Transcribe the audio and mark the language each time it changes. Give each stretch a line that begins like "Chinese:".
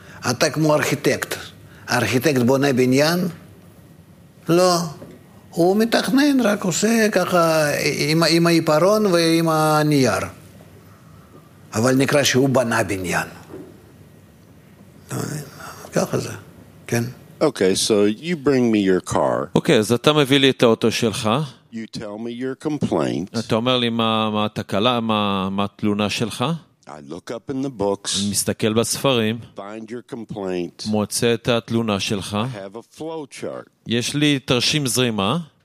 Hebrew: אתה כמו ארכיטקט. הארכיטקט בונה בניין? לא. הוא מתכנן, רק עושה ככה עם היפרון ועם הנייר. אבל נקרא שהוא בנה בניין. ככה זה. כן?
English: Okay, so you bring me your car.
Hebrew: Okay, אז אתה מביא לי את האוטו שלך.
English: You tell me your complaint.
Hebrew: אתה אומר לי מה התקלה, מה התלונה שלך.
English: I look up in the books.
Hebrew: אני מסתכל בספרים.
English: Find your complaint.
Hebrew: מוצא את התלונה שלך.
English: I have a flow chart.
Hebrew: יש לי תרשים זרימה.